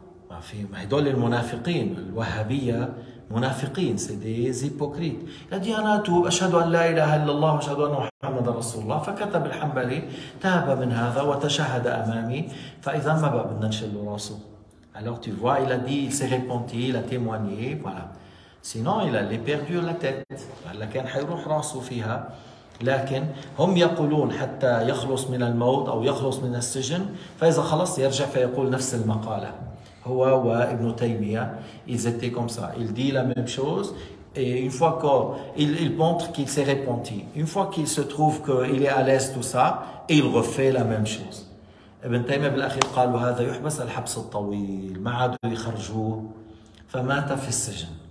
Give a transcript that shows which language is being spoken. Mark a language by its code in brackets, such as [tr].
[ar] ما في هدول المنافقين الوهابية منافقين سيدي زيبوكريت الذي أنا أتوب أشهد أن لا إله إلا الله وأشهد أن محمد رسول الله. فكتب الحنبلي تاب من هذا وتشهد أمامي فإذا ما بقى بدنا نشلوا راسه. [fr] Alors tu vois il a dit il s'est repenti il a témoigné voilà sinon il allait perdre la tête. [ar] هلا كان حيروح راسه فيها. لكن هم يقولون حتى يخلص من الموت أو يخلص من السجن فإذا خلص يرجع فيقول نفس المقالة هو وابن تيمية. [fr] Ils étaient comme ça. Il dit la même chose et une fois qu'il montre qu'il s'est repenti, une fois qu'il se trouve qu'il est à l'aise tout ça, il refait la même chose. [ar] ابن تيمية بالأخير قال وهذا يحبس الحبس الطويل ما عادوا يخرجوه فمات في السجن.